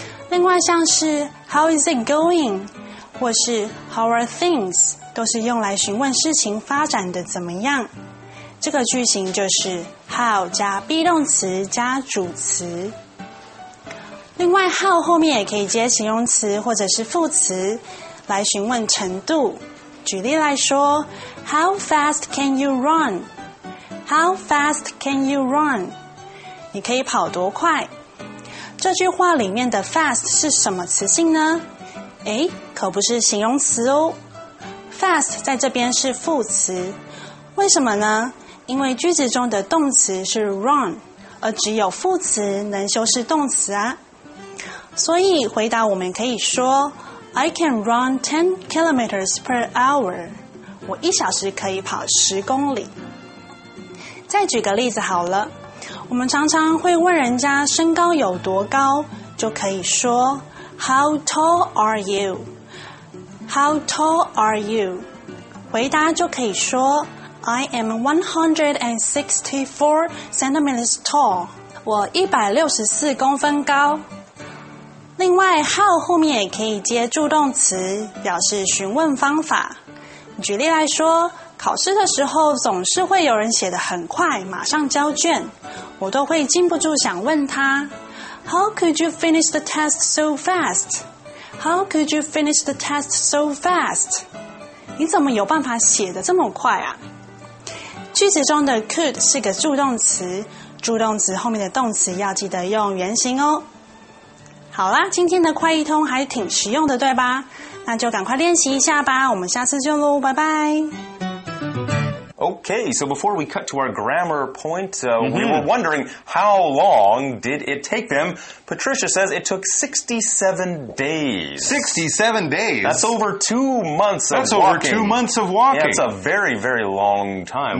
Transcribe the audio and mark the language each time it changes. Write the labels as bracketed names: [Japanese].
[Chinese] 另外像是 [English] how is it going [Chinese] 或是 [English] how are things [Chinese] 都是用来询问事情发展的怎么样。这个句型就是 how 加 be 动词加主词。另外 how 后面也可以接形容词或者是副词来询问程度。举例来说 [English] ,how fast can you run? How fast can you run? [Chinese] 你可以跑多快？这句话里面的 fast 是什么词性呢？诶，可不是形容词哦。 fast 在这边是副词。为什么呢？因为句子中的动词是 run, 而只有副词能修饰动词啊。所以回答我们可以说 [English] I can run 10 kilometers per hour. [Chinese] 我一小时可以跑10公里。再举个例子好了。我们常常会问人家身高有多高，就可以说 [English] How tall are you? How tall are you? [Chinese] 回答就可以说 [English] I am 164 centimeters tall. [Chinese] 我164公分高。另外 how 后面也可以接助动词，表示询问方法。举例来说，考试的时候总是会有人写得很快，马上交卷，我都会禁不住想问他 [English] How could you finish the test so fast? How could you finish the test so fast? [Chinese] 你怎么有办法写得这么快啊？句子中的 could 是个助动词，助动词后面的动词要记得用原形哦。好啦，今天的快译通还挺实用的，对吧？那就赶快练习一下吧，我们下次见咯，拜拜。 [English] Okay, so before we cut to our grammar point, we were wondering how long did it take them? Patricia says it took 67 days. 67 days? That's over 2 months of walking. That's over 2 months of walking. Yeah, it's a very, very long time.